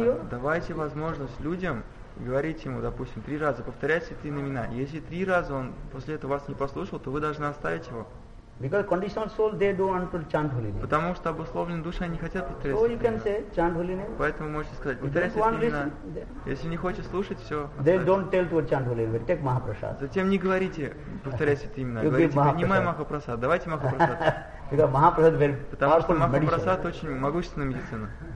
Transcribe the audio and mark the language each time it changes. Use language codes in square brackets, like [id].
[ru] Давайте возможность людям говорить ему, допустим, три раза, повторять святые имена. Если три раза он после этого вас не послушал, то вы должны оставить его. [en] Because conditioned soul they don't want to chant holy name. [ru] Потому что обусловленные души они хотят повторять. [en] So you can say chant holy name. [ru] Поэтому можете сказать повторять имена. Если не хочешь слушать, все. [en] They don't tell to chant holy name. Take Mahaprasad. [ru] Затем не говорите повторять святые имена. Говорите принимай Махапрасад. Давайте Махапрасад. [en] Because Mahaprasad very [ru] Потому что Махапрасад очень могущественная медицина.